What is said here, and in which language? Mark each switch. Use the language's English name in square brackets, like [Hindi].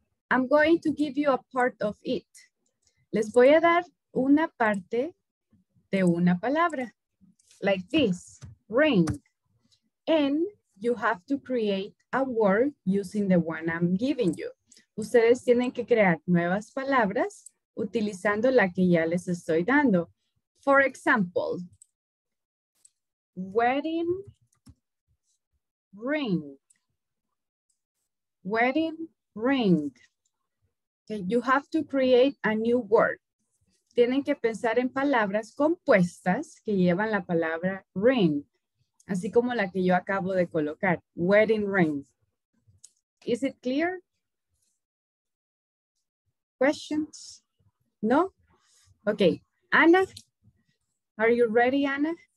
[English] I'm going to give you a part of it. [Spanish] Les voy a dar una parte de una palabra, [English] like this, ring. And you have to create a word using the one I'm giving you. [Spanish] Ustedes tienen que crear nuevas palabras utilizando la que ya les estoy dando. [English] For example, wedding ring. Wedding ring. Okay, you have to create a new word. [Spanish] Tienen que pensar en palabras compuestas que llevan la palabra ring, así como la que yo acabo de colocar, wedding ring. [English] Is it clear? Questions? No? Okay. Ana, are you ready, Ana?